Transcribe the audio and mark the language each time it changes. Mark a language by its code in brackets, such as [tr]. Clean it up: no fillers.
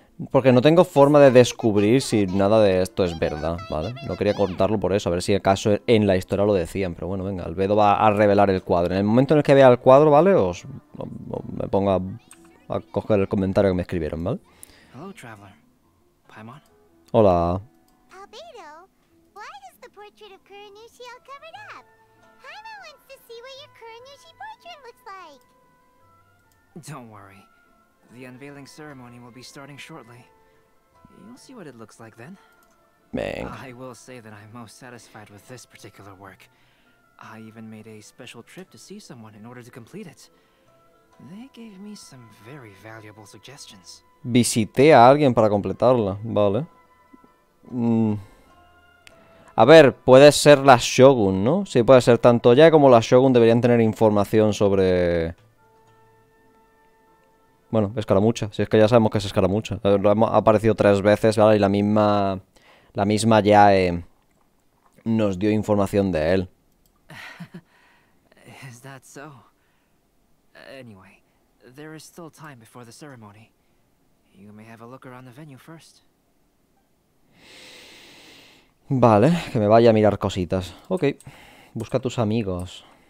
[es] Porque no tengo forma de descubrir si nada de esto es verdad, ¿vale? No quería contarlo por eso, a ver si acaso en la historia lo decían. Pero bueno, venga, Albedo va a revelar el cuadro. En el momento en el que vea el cuadro, ¿vale? Os me pongo a coger el comentario que me escribieron, ¿vale? [en] Hello, traveler. Paimon. [es] Hola. [en] Albedo, why is the portrait of Kurenushi all covered up? Paimon wants to see what your Kurenushi portrait looks like. Don't worry. The unveiling ceremony will be starting shortly. You'll see what it looks like then. Bang. I will say that I'm most satisfied with this particular work. I even made a special trip to see someone in order to complete it. They gave me some very valuable suggestions. [es] Visité a alguien para completarla, vale. A ver, puede ser la Shogun, ¿no? Sí, puede ser tanto ella como la Shogun deberían tener información sobre. Bueno, escaramucha. Si es que ya sabemos que es escaramucha. Ha aparecido 3 veces, ¿vale? Y la misma ya nos dio información de él. [en] Is that so? Anyway, there is still time before the ceremony. You may have a look around the venue first. [es] Vale, que me vaya a mirar cositas. Ok, busca a tus amigos.